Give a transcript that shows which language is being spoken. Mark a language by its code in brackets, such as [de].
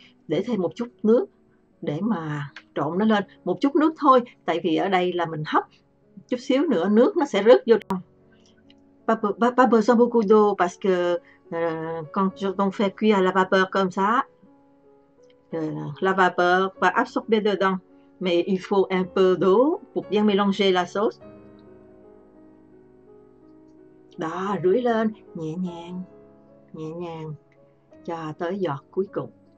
[vi] Để thêm một chút nước để mà trộn nó lên. Một chút nước thôi, tại vì ở đây là mình hấp chút xíu nữa nước nó sẽ rớt vô trong. [fr] Beurre sans beaucoup d'eau parce que quand on fait cuire la vapeur comme ça, la vapeur va absorber dedans. Mais il faut un peu d'eau pour bien mélanger la sauce. [vi] Đó, rưới lên nhẹ nhàng, nhẹ nhàng cho tới giọt cuối cùng.